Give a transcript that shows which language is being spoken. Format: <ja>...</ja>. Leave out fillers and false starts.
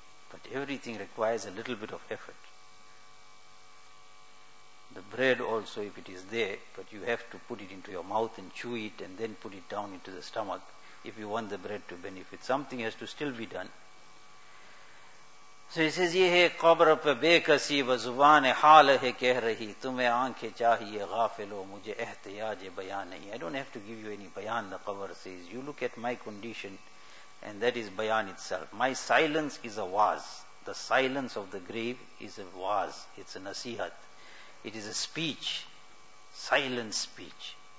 <en>But everything requires a little bit of effort. The bread also, if it is there, but you have to put it into your mouth and chew it and then put it down into the stomach if you want the bread to benefit. Something has to still be done. So he says,</en> <ur>یہ ہے قبر پہ بے کسی و زبان حال ہے کہہ رہی تمہیں آنکھیں چاہیے غافلو مجھے احتیاج بیان نہیں.</ur> <en>I don't have to give you any bayan, the qabr says. You look at my condition and that is bayan itself. My silence is a waaz. The silence of the grave is a waaz. It's a nasihat. It is a speech. Silent speech.</en>